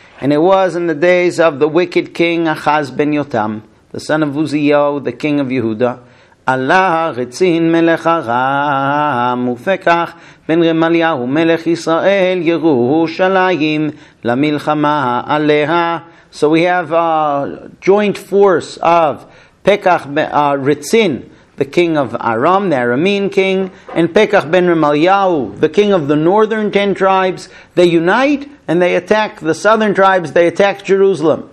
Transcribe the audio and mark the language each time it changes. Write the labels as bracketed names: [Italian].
[English] And it was in the days of the wicked king Achaz ben Yotam, the son of Uziyahu, the king of Yehuda, [Hebrew] עלה רצין מלך הרם, ופקח בן רמליהו מלך ישראל ירושלים למלחמה עליה. [English] So we have a joint force of Pekach, Ritzin, the king of Aram, the Aramean king, and Pekach ben Remaliahu, the king of the northern 10 tribes. They unite and they attack the southern tribes, they attack Jerusalem.